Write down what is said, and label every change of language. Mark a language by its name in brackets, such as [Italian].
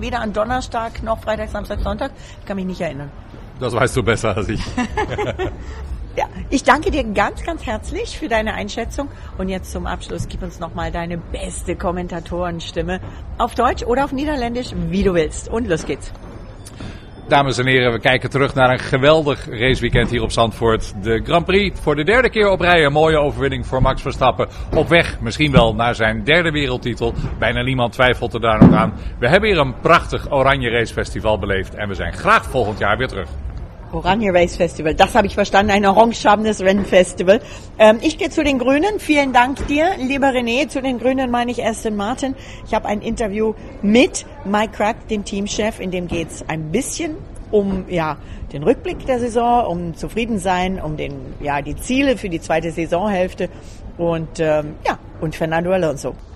[German] Weder an Donnerstag noch Freitag, Samstag, Sonntag? Ich kann mich nicht erinnern. Das weißt du besser als ich. Ja, ich danke dir ganz, ganz herzlich für deine Einschätzung. Und jetzt zum Abschluss, gib uns nochmal deine beste Kommentatorenstimme auf Deutsch oder auf Niederländisch, wie du willst. Und los geht's. [Dutch] Dames en heren, we kijken terug naar een geweldig raceweekend hier op Zandvoort. De Grand Prix voor de derde keer op rij. Een mooie overwinning voor Max Verstappen. Op weg misschien wel naar zijn derde wereldtitel. Bijna niemand twijfelt er daar nog aan. We hebben hier een prachtig Oranje Racefestival beleefd. En we zijn graag volgend jaar weer terug. [German] Oranje Race Festival, das habe ich verstanden, ein orangefarbenes Rennfestival. Ich gehe zu den Grünen, vielen Dank dir, lieber René, zu den Grünen meine ich Aston Martin. Ich habe ein Interview mit Mike Krack, dem Teamchef, in dem geht es ein bisschen um ja den Rückblick der Saison, um zufrieden sein, um den ja die Ziele für die zweite Saisonhälfte und ja und Fernando Alonso.